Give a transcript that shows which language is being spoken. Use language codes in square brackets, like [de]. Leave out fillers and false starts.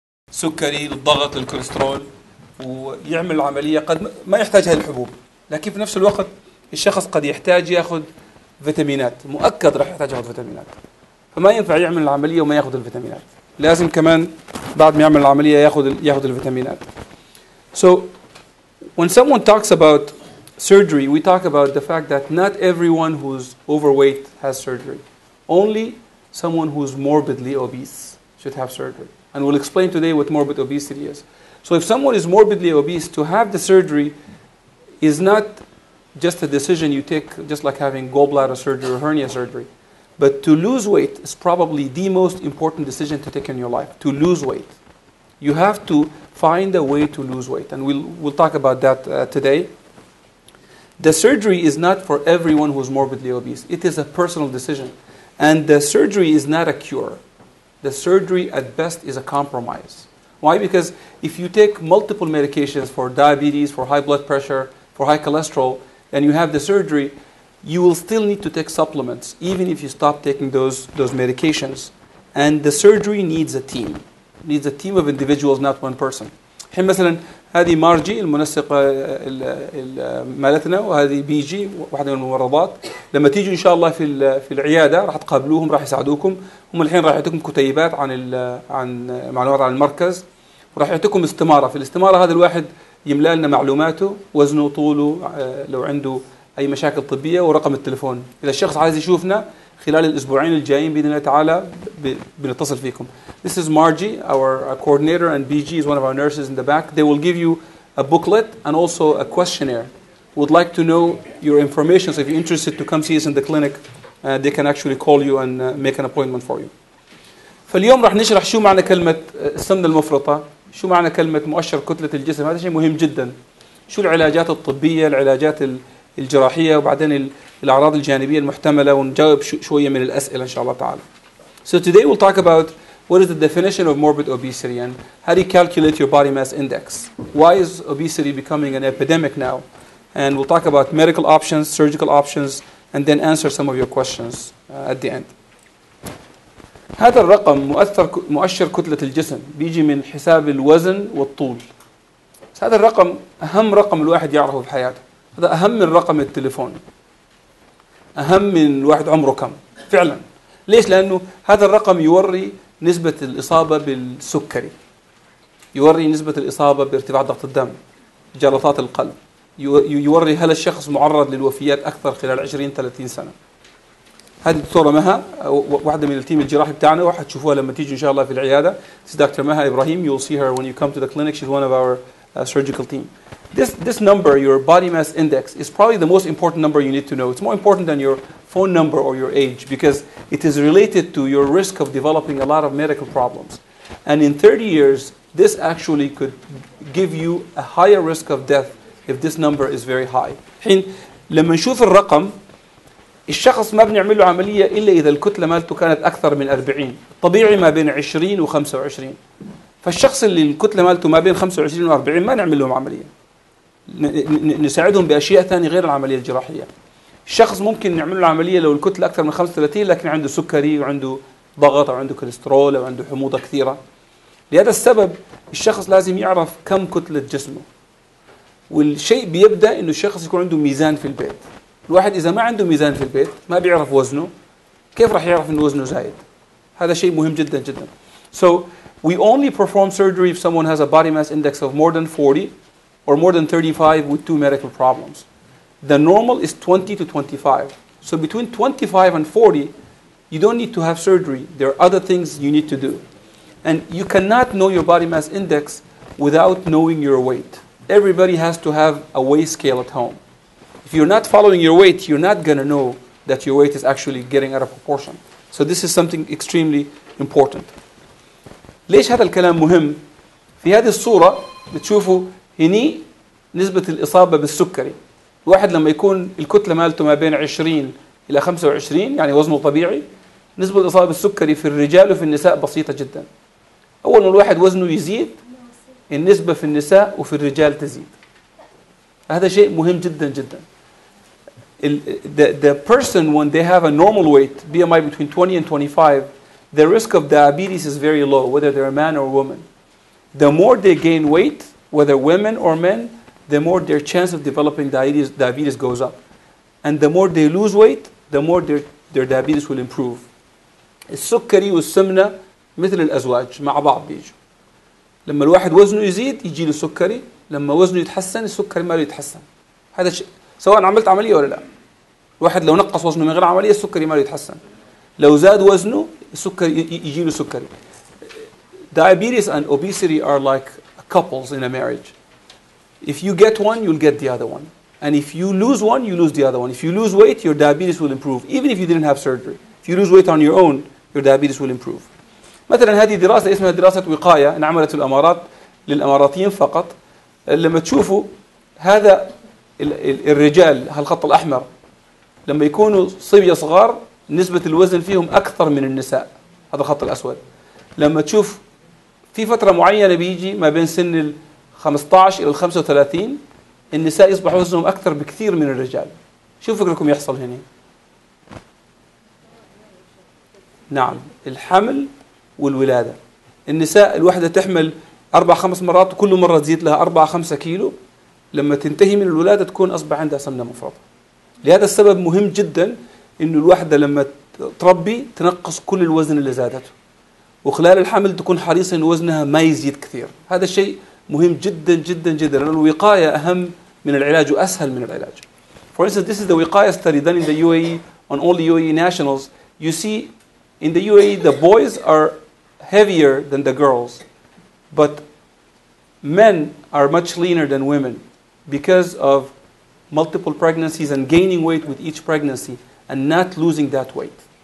[ar] سكري، للضغط، للكوليسترول، ويعمل عملية قد ما يحتاجها الحبوب، لكن في نفس الوقت الشخص قد يحتاج ياخذ فيتامينات، مؤكد راح يحتاج ياخذ فيتامينات، فما ينفع يعمل العملية وما ياخذ الفيتامينات، لازم كمان بعد ما يعمل العملية ياخذ الفيتامينات. [en] So when someone talks about surgery, we talk about the fact that not everyone who's overweight has surgery. Only someone who's morbidly obese should have surgery. And we'll explain today what morbid obesity is. So if someone is morbidly obese, to have the surgery is not just a decision you take, just like having gallbladder surgery or hernia surgery. But to lose weight is probably the most important decision to take in your life, to lose weight. You have to find a way to lose weight. And we'll talk about that today. The surgery is not for everyone who is morbidly obese. It is a personal decision. And the surgery is not a cure. The surgery, at best, is a compromise. Why? Because if you take multiple medications for diabetes, for high blood pressure, for high cholesterol, and you have the surgery, you will still need to take supplements, even if you stop taking those medications. And the surgery needs a team. It needs a team of individuals, not one person. [ar] هذه مارجي المنسقة مالتنا وهذه بيجي واحدة من الممرضات لما تيجوا إن شاء الله في العيادة راح تقابلوهم راح يساعدوكم هم الحين راح يعطيكم كتيبات عن معلومات عن المركز وراح يعطيكم استمارة في الاستمارة هذا الواحد يملأ لنا معلوماته وزنه طوله لو عنده أي مشاكل طبية ورقم التلفون إذا الشخص عايز يشوفنا خلال الأسبوعين الجايين بإذن الله تعالى بنتصل فيكم. [en] This is Margie, our coordinator, and BG is one of our nurses in the back. They will give you a booklet and also a questionnaire. Would like to know your information, so if you're interested to come see us in the clinic, they can actually call you and make an appointment for you. [ar] فاليوم راح نشرح شو معنى كلمة السمنة المفرطة, شو معنى كلمة مؤشر كتلة الجسم, هذا شيء مهم جدا. شو العلاجات الطبية, العلاجات الجراحية, وبعدين الأعراض الجانبية المحتملة, ونجاوب شوية من الأسئلة إن شاء الله تعالى. [en] So today we'll talk about what is the definition of morbid obesity and how do you calculate your body mass index? Why is obesity becoming an epidemic now? And we'll talk about medical options, surgical options, and then answer some of your questions at the end. [ar] هذا الرقم مؤشر كتلة الجسم بيجي من حساب الوزن والطول. هذا الرقم أهم رقم الواحد يعرفه في حياته. هذا أهم من رقم التليفون. أهم من واحد عمره كم فعلا. ليش؟ لأنه هذا الرقم يوري نسبة الإصابة بالسكري, يوري نسبة الإصابة بارتفاع ضغط الدم, جلطات القلب, يوري هل الشخص معرض للوفيات أكثر خلال 20-30 سنة. هذه الدكتورة مها, واحدة من التيم الجراحي بتاعنا, واحد تشوفوها لما تيجي إن شاء الله في العيادة. [en] This is Dr. Maha Ibrahim. You'll see her when you come to the clinic. She's one of our surgical team. This number, your body mass index, is probably the most important number you need to know. It's more important than your phone number or your age because it is related to your risk of developing a lot of medical problems. And in 30 years, this actually could give you a higher risk of death if this number is very high. [ar] حين لما نشوف الرقم, الشخص ما بنعمل له عملية إلا إذا الكتلة مالته كانت أكثر من 40. طبيعي ما بين 20 و25. فالشخص اللي الكتلة مالته ما بين 25 و40 ما نعمل لهم عملية. نساعدهم بأشياء ثانية غير العملية الجراحية. الشخص ممكن نعمل له عملية لو الكتلة أكثر من 35 لكن عنده سكري وعنده ضغط وعنده كوليسترول وعنده حموضة كثيرة. لهذا السبب الشخص لازم يعرف كم كتلة جسمه. والشيء بيبدأ أنه الشخص يكون عنده ميزان في البيت. الواحد إذا ما عنده ميزان في البيت ما بيعرف وزنه, كيف راح يعرف أنه وزنه زايد؟ هذا شيء مهم جدا جدا. [en] So we only perform surgery if someone has a body mass index of more than 40 or more than 35 with two medical problems. The normal is 20 to 25. So between 25 and 40, you don't need to have surgery. There are other things you need to do. And you cannot know your body mass index without knowing your weight. Everybody has to have a weigh scale at home. If you're not following your weight, you're not going to know that your weight is actually getting out of proportion. So this is something extremely important. [ar] ليش هذا الكلام مهم؟ في هذه الصورة بتشوفوا هني نسبة الإصابة بالسكري. الواحد لما يكون الكتلة مالته ما بين 20 إلى 25 يعني وزنه طبيعي, نسبة الإصابة بالسكري في الرجال وفي النساء بسيطة جدا. أول ما الواحد وزنه يزيد النسبة في النساء وفي الرجال تزيد. هذا شيء مهم جدا جدا. [en] The person when they have a normal weight, BMI between 20 and 25, the risk of diabetes is very low, whether they're a man or a woman. the more they gain weight, whether women or men, the more their chance of developing diabetes goes up. And the more they lose weight, the more their diabetes will improve. [ar] السكري والسمنة مثل الأزواج مع بعض بيجوا. لما الواحد وزنه يزيد يجي له سكري، لما وزنه يتحسن السكري ماله يتحسن. هذا شيء سواء عملت عملية ولا لا. الواحد لو نقص وزنه من غير عملية السكري ماله يتحسن. لو زاد وزنه السكري يجي له سكري. [en] Diabetes and obesity are like couples in a marriage. If you get one, you'll get the other one. And if you lose one, you lose the other one. If you lose weight, your diabetes will improve, even if you didn't have surgery. If you lose weight on your own, your diabetes will improve. [ar] مثلا هذه دراسة اسمها دراسة وقاية انعملت في الامارات للاماراتيين فقط. لما تشوفوا هذا الرجال هالخط الاحمر لما يكونوا صبية صغار نسبة الوزن فيهم اكثر من النساء، هذا الخط الاسود. لما تشوف في فترة معينة بيجي ما بين سن ال 15 الى ال 35 النساء يصبح وزنهم اكثر بكثير من الرجال. شوفوا فكركم يحصل هنا. نعم، الحمل والولادة. النساء الوحدة تحمل 4-5 مرات وكل مرة تزيد لها 4-5 كيلو، لما تنتهي من الولادة تكون أصبح عندها سمنة مفرطة. لهذا السبب مهم جدا إنه الوحدة لما تربي تنقص كل الوزن اللي زادته، وخلال الحمل تكون حريصة إن وزنها ما يزيد كثير. هذا الشيء مهم جدا جدا جدا، لأن الوقاية أهم من العلاج وأسهل من العلاج. [en] For instance, this is the وقاية study done in the UAE on all the UAE nationals. You see, in the UAE, the boys are heavier than the girls, but men are much leaner than women because of multiple pregnancies and gaining weight with each pregnancy and not losing that weight.